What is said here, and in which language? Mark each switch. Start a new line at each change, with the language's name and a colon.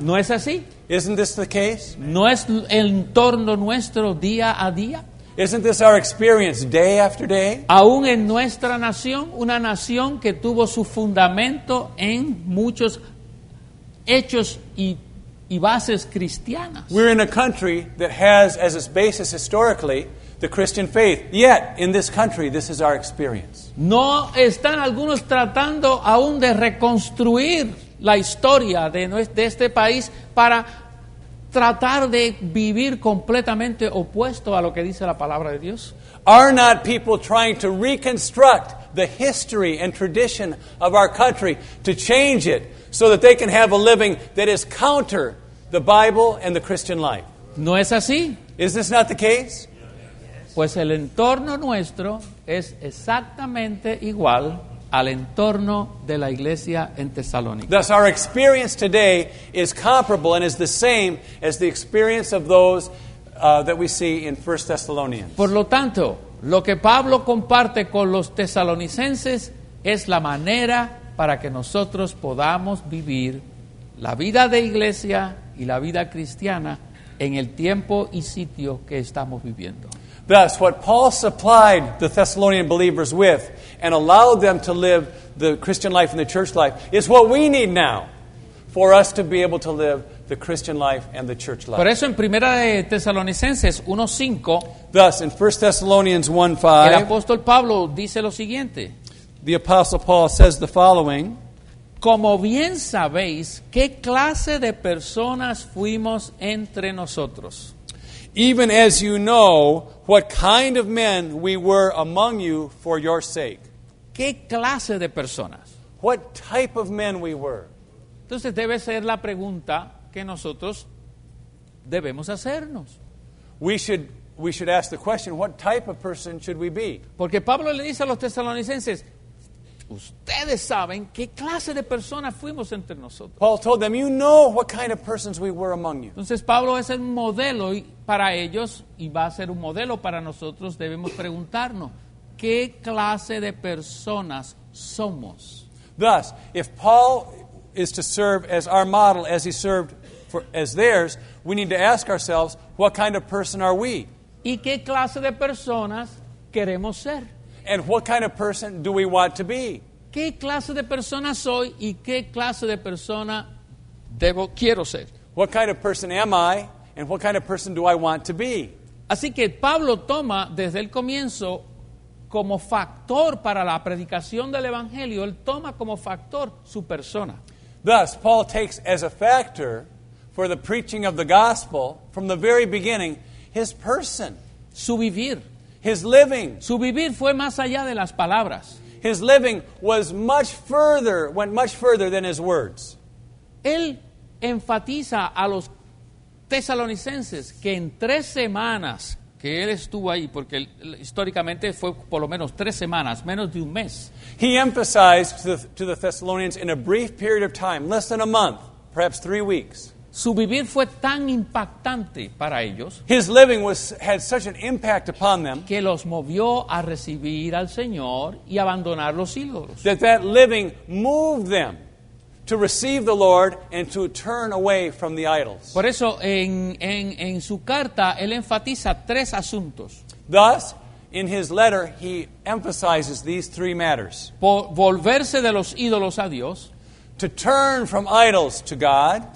Spanish: ¿No es así?
English: Isn't this the case?
Spanish: ¿No es el entorno nuestro día a día?
English: Isn't this our experience day after day?
Spanish: Aún en nuestra nación, una nación que tuvo su fundamento en muchos hechos y bases cristianas.
English: We're in a country that has as its basis historically the Christian faith. Yet, in this country, this is our experience.
Spanish: ¿No están algunos tratando aún de reconstruir la historia de este país para tratar de vivir completamente opuesto a lo que dice la palabra de Dios?
English: Are not people trying to reconstruct the history and tradition of our country to change it so that they can have a living that is counter the Bible and the Christian life?
Spanish: ¿No es así?
English: Is this not the case?
Spanish: Pues el entorno nuestro es exactamente igual al entorno de la iglesia en Tesalónica.
English: Thus our experience today is comparable and is the same as the experience of those that we see in 1 Thessalonians.
Spanish: Por lo tanto, lo que Pablo comparte con los tesalonicenses es la manera para que nosotros podamos vivir la vida de iglesia y la vida cristiana en el tiempo y sitio que estamos viviendo.
English: Thus, what Paul supplied the Thessalonian believers with and allowed them to live the Christian life and the church life is what we need now for us to be able to live the Christian life and the church life.
Spanish: Por eso en Primera de Tesalonicenses 1:5,
English: thus in 1 Thessalonians 1:5,
Spanish: el apóstol Pablo dice lo siguiente.
English: The apostle Paul says the following.
Spanish: Como bien sabéis, ¿qué clase de personas fuimos entre nosotros?
English: Even as you know, what kind of men we were among you for your sake.
Spanish: ¿Qué clase de personas?
English: What type of men we were.
Spanish: Entonces debe ser la pregunta que nosotros debemos hacernos.
English: We should ask the question, what type of person should we be?
Spanish: Porque Pablo le dice a los tesalonicenses, ustedes saben qué clase de personas fuimos entre nosotros.
English: Paul told them, you know what kind of persons we were among you.
Spanish: Entonces Pablo es un modelo para ellos y va a ser un modelo para nosotros. Debemos preguntarnos, ¿qué clase de personas somos?
English: Thus, if Paul is to serve as our model as he served for, as theirs, we need to ask ourselves, what kind of person are we?
Spanish: ¿Y qué clase de personas queremos ser?
English: And what kind of person do we want to be?
Spanish: qué clase de persona soy y qué clase de persona debo quiero ser.
English: What kind of person am I and what kind of person do I want to be?
Spanish: Así que Pablo toma desde el comienzo como factor para la predicación del evangelio, él toma como factor su persona.
English: Thus Paul takes as a factor for the preaching of the gospel from the very beginning his person,
Spanish: su vivir,
English: his living.
Spanish: Su vivir fue más allá de las palabras.
English: His living was much further, went much further than his words.
Spanish: Él enfatiza a los tesalonicenses que en 3 semanas que él estuvo ahí, porque históricamente fue por lo menos 3 semanas, menos de un mes.
English: He emphasized to the Thessalonians in a brief period of time, less than a month, perhaps 3 weeks.
Spanish: Su vivir fue tan impactante para ellos.
English: His living was, had such an impact upon them.
Spanish: Que los movió a recibir al Señor y abandonar los ídolos.
English: That living moved them to receive the Lord and to turn away from the idols.
Spanish: Por eso en su carta él enfatiza 3 asuntos.
English: Thus, in his letter he emphasizes these 3 matters.
Spanish: Por volverse de los ídolos a Dios.
English: To turn from idols to God,